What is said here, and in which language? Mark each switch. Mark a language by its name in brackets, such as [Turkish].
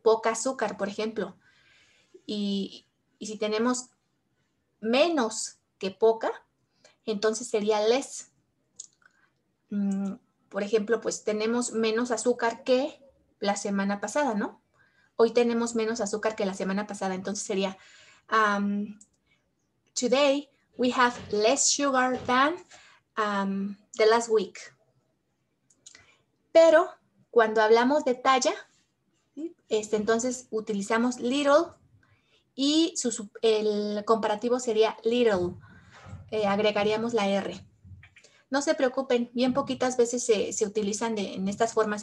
[Spanish] Poca azúcar, por ejemplo. Y si tenemos menos que poca, entonces sería less. Por ejemplo, pues tenemos menos azúcar que la semana pasada, ¿no? Hoy tenemos menos azúcar que la semana pasada. Entonces sería, [English] today we have less sugar than the last week. [Spanish] Pero cuando hablamos de talla, entonces utilizamos little. Y el comparativo sería little. Agregaríamos la R. No se preocupen, bien poquitas veces se utilizan en estas formas.